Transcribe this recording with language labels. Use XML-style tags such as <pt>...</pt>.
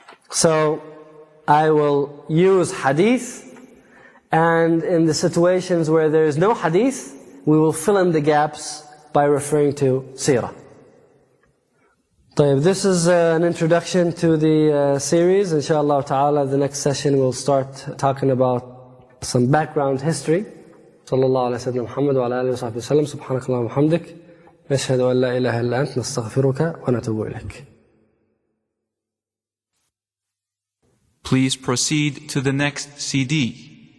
<en>So, I will use hadith, and in the situations where there is no hadith, we will fill in the gaps by referring to seerah.</en> <ar>طيب,</ar> <en>this is an introduction to the series. Inshallah ta'ala, the next session we'll start talking about some background history.</en> <ar>Sallallahu alayhi wa sallam, Muhammad wa alayhi wa sallam, subhanakallah wa hamdik. نشهد أن لا إله إلا أنت نستغفرك ونتوب إليك.</ar> <en>Please proceed to the next CD.</en>